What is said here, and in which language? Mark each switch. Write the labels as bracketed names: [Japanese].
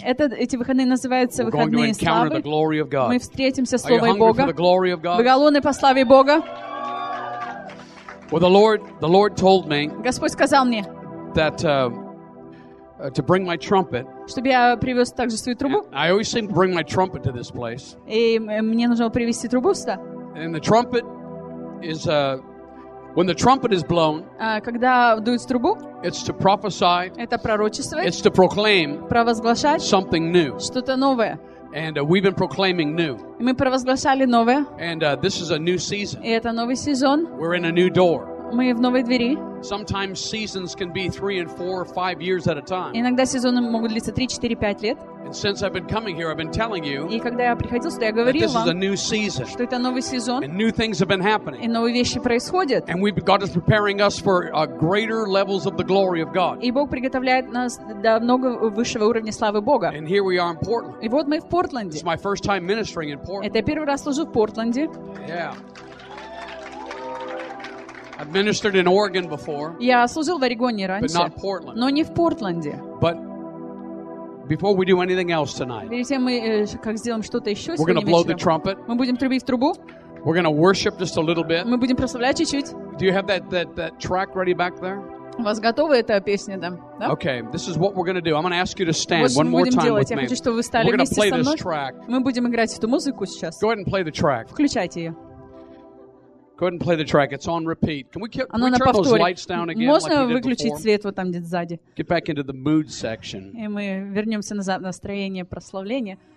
[Russian] Эти выходные называются [English] We're [Russian] выходные [English] going to encounter The glory of God. [Russian] Мы встретимся с славой Бога. [English] For the glory of God? [Russian] Вы голодны по славе Бога? [English] Well, the Lord told me. [Russian] Господь сказал мне. [English] That to bring my trumpet. [Russian] Чтобы я привез также свою трубу. [English] I always seem to bring my trumpet to this place. [Russian] И мне нужно привезти трубу сюда. [English] And the trumpet is when the trumpet is blown. [Russian] Когда дует трубу. [English] It's to prophesy. [Russian] Это пророчествовать. [English] It's to proclaim. [Russian] Провозглашать. [English] Something new. [Russian] Что-то новое. [English] And we've been proclaiming new. [Russian] И мы провозглашали новое. [English] And this is a new season. [Russian] И это новый сезон. [English] We're in a new door. [Russian] Мы в новой двери. [English] Sometimes seasons can be 3, 4, 5 years at a time. [Russian] Иногда сезоны могут длиться 3, 4, 5 лет. [English] And since I've been coming here, I've been telling you. [Russian] И когда я приходил сюда, я говорил вам. [English] This is a new season. [Russian] Что это новый сезон. [English] And new things have been happening. [Russian] И новые вещи происходят. [English] And we've God is preparing us for greater levels of the glory of God. [Russian] И Бог приготовляет нас до много высшего уровня славы Бога. [English] And here we are in Portland. [Russian] И вот мы в Портленде. [English] It's my first time ministering in Portland. [Russian] Это первый раз служу в Портленде. [English] Yeah. I've ministered in Oregon before. [Russian] Я служил в Орегоне раньше. [English] But not Portland. [Russian] Но не в Портленде. [English] But before we do anything else tonight. [Russian] Перед тем, как сделаем что-то еще [English] We're going to blow the trumpet. [Russian] Мы будем трубить в трубу. [English] We're going to worship just a little bit. [Russian] Мы будем прославлять чуть-чуть. [English] Do you have that track ready back there? [Russian] У вас готова эта песня там, да? [English] Okay, this is what we're going to do. I'm going to ask you to stand one more time with me. [Russian] Я хочу, чтобы вы встали вместе со мной. [English] This track. [Russian] Мы будем играть эту музыку сейчас. [English] Go ahead and play the track. [Russian] Включайте ее. [English] Go ahead and play the track. It's on repeat. Can we turn those lights down again? [Russian] Можно [English] like we did [Russian] выключить [English] before? [Russian] Свет вот там где-то сзади? [English] Get back into the mood section. [Russian] И мы вернемся назад в настроение прославления.